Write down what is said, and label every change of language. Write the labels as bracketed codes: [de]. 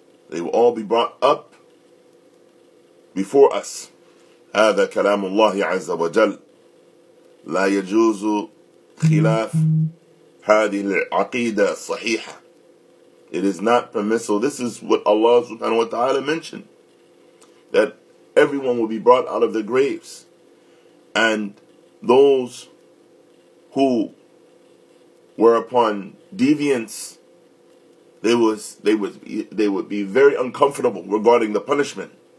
[en] They will all be brought up before us. [ar] هذا كلام الله عز وجل. لا يجوز خلاف هذه العقيدة الصحيحة. [en] It is not permissible. This is what Allah subhanahu wa ta'ala mentioned. That everyone will be brought out of their graves. And those who were upon deviance, they would be very uncomfortable regarding the punishment.